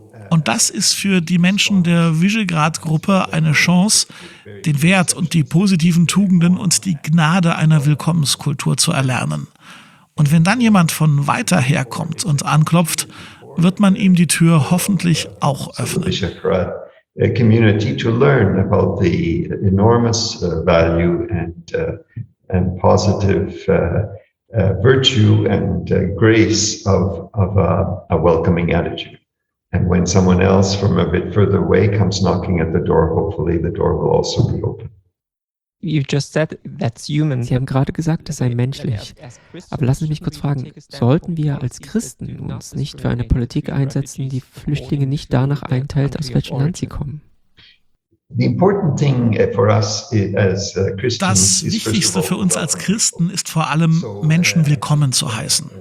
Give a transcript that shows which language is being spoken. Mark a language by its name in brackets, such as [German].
[German] Und das ist für die Menschen der Visegrad-Gruppe eine Chance, den Wert und die positiven Tugenden und die Gnade einer Willkommenskultur zu erlernen. Und wenn dann jemand von weiter her kommt und anklopft, wird man ihm die Tür hoffentlich auch öffnen. [English] A community to learn about the enormous value and positive virtue and grace of a welcoming attitude. And when someone else from a bit further away comes knocking at the door, hopefully the door will also be open. You just said that's human. [German] Sie haben gerade gesagt, das sei menschlich. Aber lassen Sie mich kurz fragen, sollten wir als Christen uns nicht für eine Politik einsetzen, die Flüchtlinge nicht danach einteilt, aus welchem Land sie kommen? Das Wichtigste für uns als Christen ist vor allem, Menschen willkommen zu heißen.